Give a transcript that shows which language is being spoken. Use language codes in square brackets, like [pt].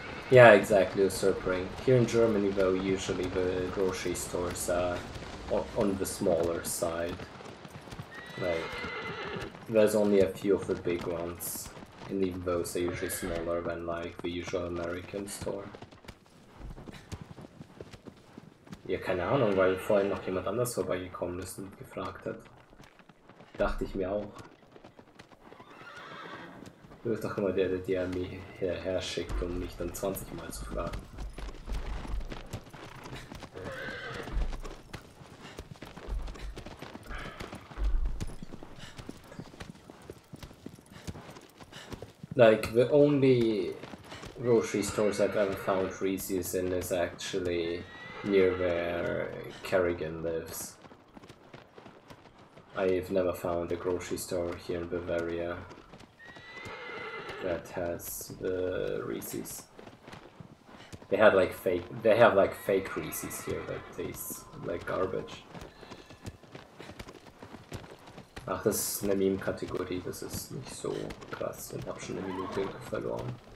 [en] Yeah, exactly, a Surpring. Here in Germany though, usually the grocery stores are on the smaller side. Like, there's only a few of the big ones. And even those are usually smaller than like the usual American store. [de] Ja, keine Ahnung, weil vorhin noch jemand anders vorbeigekommen ist und gefragt hat. Dachte ich mir auch. Du bist doch immer der, der die Armee her schickt, um mich dann 20 Mal zu fragen. [en] Like, the only grocery stores I've ever found Reese's in is actually near where Kerrigan lives. I've never found a grocery store here in Bavaria that has the Reese's. They had like fake Reese's here that taste like garbage. [de] Ach, das ist eine Meme-Kategorie, das ist nicht so krass und hab schon eine Minute verloren.